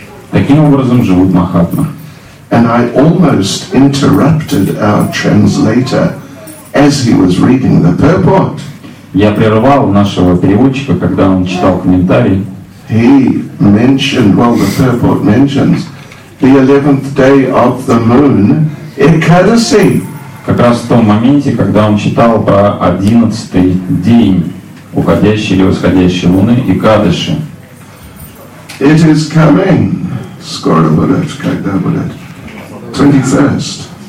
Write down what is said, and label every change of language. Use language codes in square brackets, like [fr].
[ru] Таким образом живут Махатмы. [en] And I almost interrupted our translator as he was reading the purport. [ru] Я прервал нашего переводчика, когда он читал комментарий. [en] He mentioned, well, the purport mentions the 11th day of the moon, Экадаси. [ru] Как раз в том моменте, когда он читал про 11-й день уходящей или восходящей луны, Экадаши. [en] It is coming. [ru] Скоро будет, когда будет. [en] 21st.